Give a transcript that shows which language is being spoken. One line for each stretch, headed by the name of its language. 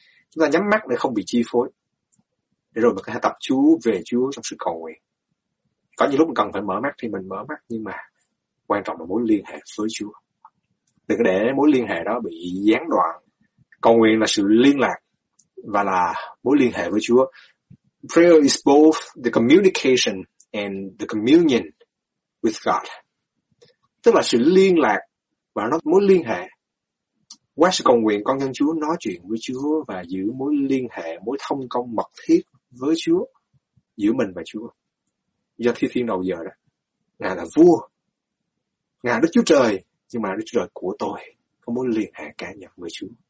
Vietnamese: Chúng ta nhắm mắt để không bị chi phối. Để rồi mình có thể tập chú về Chúa trong sự cầu nguyện. Có những lúc mình cần phải mở mắt thì mình mở mắt, nhưng mà quan trọng là mối liên hệ với Chúa. Đừng để mối liên hệ đó bị gián đoạn. Cầu nguyện là sự liên lạc và là mối liên hệ với Chúa.
English: Prayer is both the communication and the communion with God.
Vietnamese: Tức là sự liên lạc và nó mối liên hệ. Qua sự cầu nguyện, con nhân Chúa nói chuyện với Chúa và giữ mối liên hệ, mối thông công mật thiết với Chúa, giữa mình và Chúa. Do Thi Thiên đầu giờ đó, Ngài là vua, Ngài Đức Chúa Trời, nhưng mà Đức Chúa Trời của tôi, có mối liên hệ cá nhân với Chúa.